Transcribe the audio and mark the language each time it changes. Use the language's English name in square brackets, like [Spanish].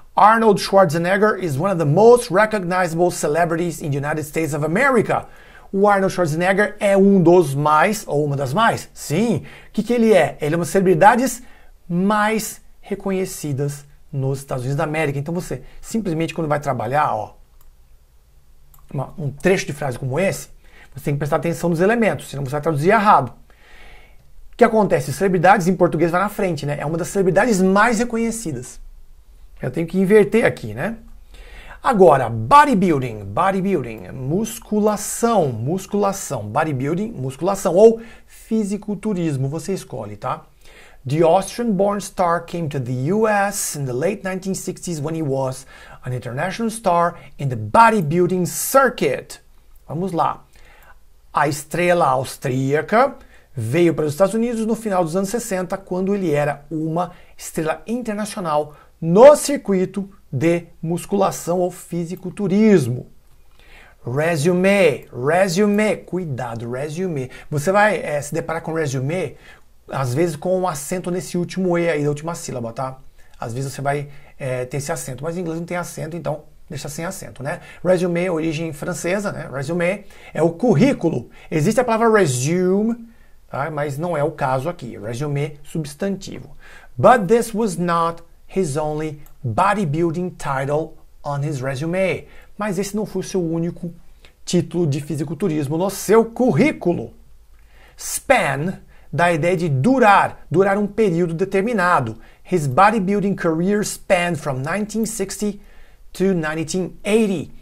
[English] Arnold Schwarzenegger is one of the most recognizable celebrities in the United States of America. [Portuguese] O Arnold Schwarzenegger é um dos mais ou uma das mais? Sim. O que, que ele é? Ele é uma das celebridades mais reconhecidas nos Estados Unidos da América. Então você, simplesmente quando vai trabalhar, ó, um trecho de frase como esse, você tem que prestar atenção nos elementos, senão você vai traduzir errado. O que acontece? Celebridades em português vai na frente, né? É uma das celebridades mais reconhecidas. Eu tenho que inverter aqui, né? Agora, bodybuilding, musculação, bodybuilding, musculação, ou fisiculturismo, você escolhe, tá? [English] The Austrian-born star came to the US in the late 1960s when he was an international star in the bodybuilding circuit. [Portuguese] Vamos lá. A estrela austríaca veio para os Estados Unidos no final dos anos 60, quando ele era uma estrela internacional no circuito de musculação ou fisiculturismo. Resume, cuidado, resume. Você vai se deparar com resume, às vezes com um acento nesse último E aí, da última sílaba, tá? Às vezes você vai ter esse acento, mas em inglês não tem acento, então deixa sem acento, né? Resume, origem francesa, né? Resume é o currículo. Existe a palavra resume, tá? Mas não é o caso aqui. Resume, substantivo. [English] But this was not his only bodybuilding title on his resume. [Portuguese] Mas esse não foi o seu único título de fisiculturismo no seu currículo. Span, da ideia de durar um período determinado. [English] His bodybuilding career spanned from 1960 to 1980.